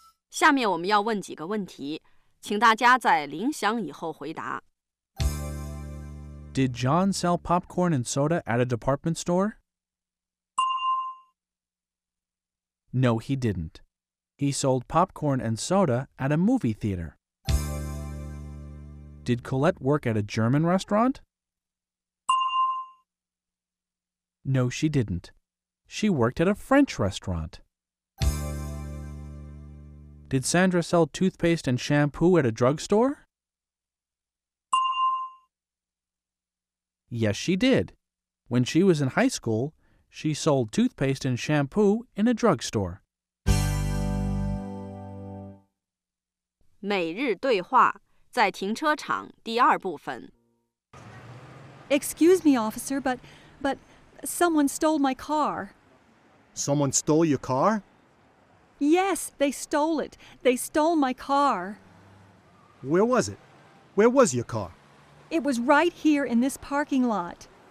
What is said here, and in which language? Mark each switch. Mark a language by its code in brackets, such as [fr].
[zh] 下面我们要问几个问题，请大家在铃响以后回答。 [en] Did John sell popcorn and soda at a department store? No, he didn't. He sold popcorn and soda at a movie theater. Did Colette work at a German restaurant? No, she didn't. She worked at a French restaurant. Did Sandra sell toothpaste and shampoo at a drugstore? Yes, she did. When she was in high school, she sold toothpaste and shampoo in a drugstore. [zh] 每日对话，在停车场第二部分。 [en] Excuse me, officer, but someone stole my car. Someone stole your car? Yes, they stole it. They stole my car. Where was it? Where was your car? It was right here in this parking lot.